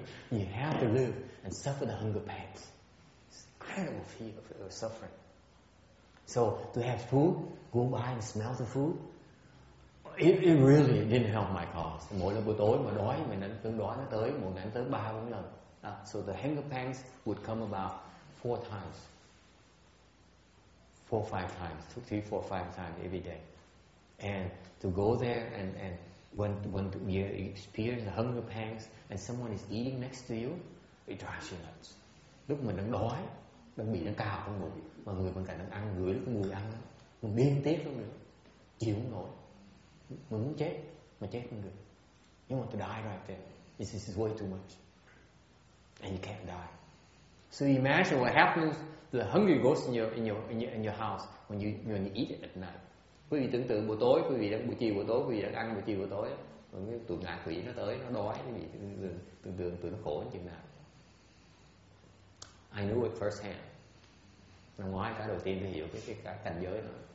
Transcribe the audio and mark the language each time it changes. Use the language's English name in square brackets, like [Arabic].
[English] You have to live and suffer the hunger pains. It's incredible fear of suffering. So to have food, go by and smell the food, it really didn't help my cause. [Vietnamese] Mỗi lần buổi tối mà đói, mình ăn cơm đói nó tới, một ngày tới 3-4 lần. [English] So the hunger pains would come about 4 times. 4-5 times, 3-5 times every day. And to go there and when you experience the hunger pangs and someone is eating next to you, it drives you nuts. [Vietnamese] Lúc mình đang đói, đang bị đang cào trong bụng, mà người bên cạnh đang ăn, người đó có mùi ăn, mình điên tiết luôn nữa, chịu không nổi. Mình muốn chết, mà chết không được. [English] You want to die right there. This is way too much. And you can't die. So imagine what happens to the hungry ghost in your house when you eat it at night. [Vietnamese] Quý vị tưởng tượng buổi tối, quý vị đang buổi chiều buổi tối, quý vị đang ăn buổi chiều buổi tối, rồi cái tụi ngạ quỷ nó tới, nó đói, quý vị tưởng tượng tụi nó khổ như thế nào. [English] I knew it first hand. [Vietnamese] Năm ngoái cái đầu tiên tôi hiểu cái cảnh giới này.